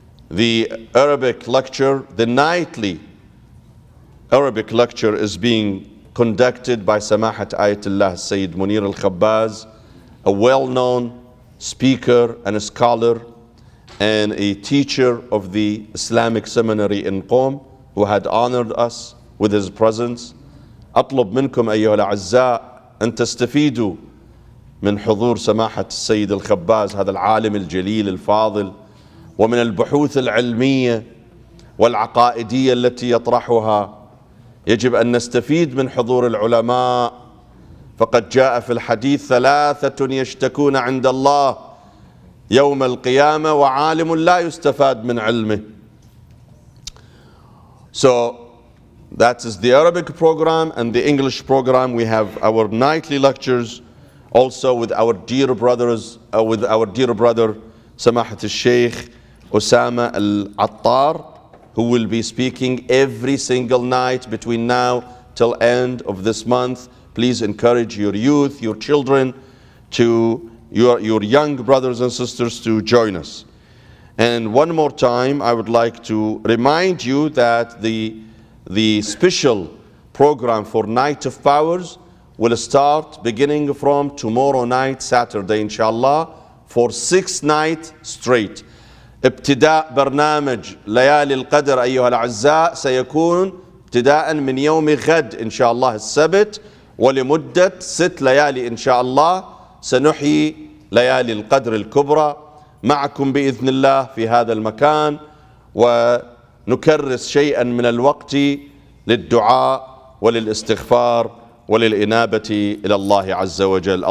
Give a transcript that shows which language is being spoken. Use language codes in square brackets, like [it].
[en] The Arabic lecture, the nightly Arabic lecture, is being conducted by Samahat Ayatollah Sayyid Munir al-Khabbaz, a well-known speaker and a scholar and a teacher of the Islamic seminary in Qom, who had honored us with his presence. [ar] أطلب منكم أيها الأعزاء أن تستفيدوا من حضور سماحة السيد الخباز هذا العالم الجليل الفاضل ومن البحوث العلمية والعقائدية التي يطرحها يجب أن نستفيد من حضور العلماء فقد جاء في الحديث ثلاثة يشتكون عند الله يوم القيامة وعالم لا يستفاد من علمه. [en] So that is the Arabic program and the English program. We have our nightly lectures also with our dear brothers, with our dear brother, Samahat al-Sheikh Osama al-Attar, who will be speaking every single night between now till end of this month. Please encourage your youth, your children, to your young brothers and sisters to join us. And one more time, I would like to remind you that the special program for Night of Powers will start beginning from tomorrow night, Saturday, inshallah, for 6 nights straight. [ar] ابتداء برنامج ليالي القدر أيها الأعزاء سيكون ابتداء من يوم غد إن شاء الله السبت ولمدة 6 ليالي إن شاء الله سنحيي ليالي القدر الكبرى معكم بإذن الله في هذا المكان و نكرس شيئا من الوقت للدعاء وللاستغفار وللإنابة إلى الله عز وجل.